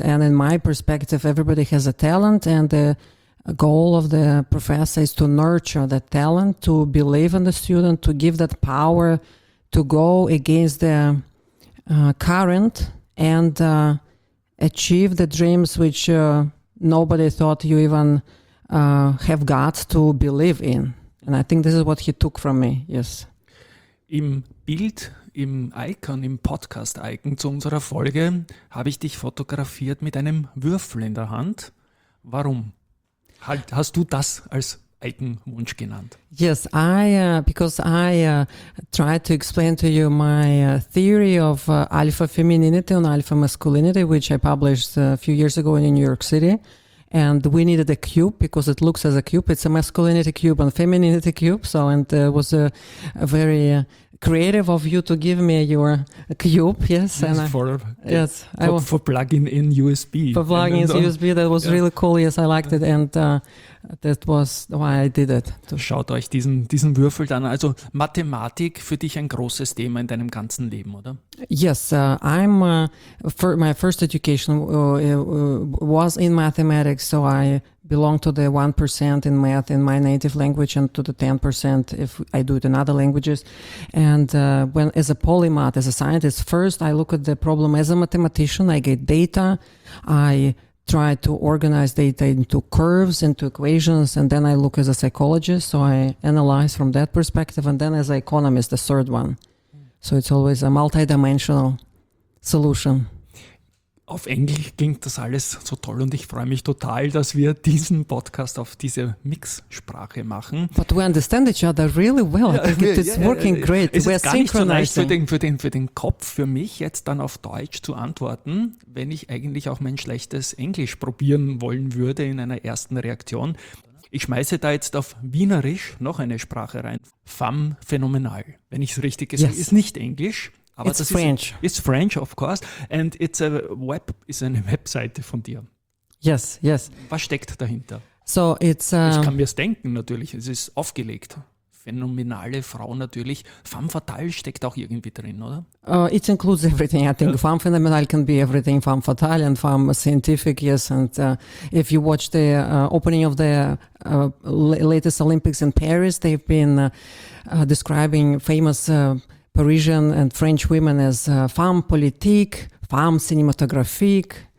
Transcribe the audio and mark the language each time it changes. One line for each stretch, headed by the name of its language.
English: And in my perspective, everybody has a talent, and the a goal of the professor is to nurture that talent, to believe in the student, to give that power to go against the current and achieve the dreams which nobody thought you even have got to believe in. And I think this is what he took from me, yes.
German: Im Bild, im Icon, im Podcast-Icon zu unserer Folge, habe ich dich fotografiert mit einem Würfel in der Hand. Warum? Hast du das als Eigenwunsch genannt?
English: Yes, I because I tried to explain to you my theory of alpha femininity and alpha masculinity, which I published a few years ago in New York City. And we needed a cube because it looks as a cube. It's a masculinity cube and femininity cube. So, and it was a very creative of you to give me your cube. Yes. And for plugging in USB. For plugging in USB. That was really cool. Yes, I liked it. And that was why I did it.
German: Schaut euch diesen Würfel dann. Also Mathematik für dich ein großes Thema in deinem ganzen Leben, oder?
English: Yes. My first education was in mathematics. So I belong to the 1% in math in my native language and to the 10% if I do it in other languages. And when as a polymath, as a scientist, first I look at the problem as a mathematician. I get data. I try to organize data into curves, into equations, and then I look as a psychologist, so I analyze from that perspective, and then as an economist, the third one. So it's always a multidimensional solution.
German: Auf Englisch klingt das alles so toll und ich freue mich total, dass wir diesen Podcast auf diese Mix-Sprache machen.
English: But we understand each other really well. It's working great.
German: Es ist gar nicht so leicht für den Kopf, für mich jetzt dann auf Deutsch zu antworten, wenn ich eigentlich auch mein schlechtes Englisch probieren wollen würde in einer ersten Reaktion. Ich schmeiße da jetzt auf Wienerisch noch eine Sprache rein. Femme phänomenal, wenn ich es richtig gesagt habe. Ist nicht Englisch.
English: Aber it's French. It's French, of course. And it's a web,
German: ist eine Webseite von dir.
English: Yes, yes.
German: Was steckt dahinter?
English: So it's.
German: Ich kann mir es denken, natürlich. Es ist aufgelegt. Phänomenale Frau natürlich. Femme fatale steckt auch irgendwie drin, oder?
English: It includes everything. I think femme phänomenal can be everything. Femme fatale and femme scientific, yes. And if you watch the opening of the latest Olympics in Paris, they've been describing famous Parisian and French women as femme politique, femme cinématographique,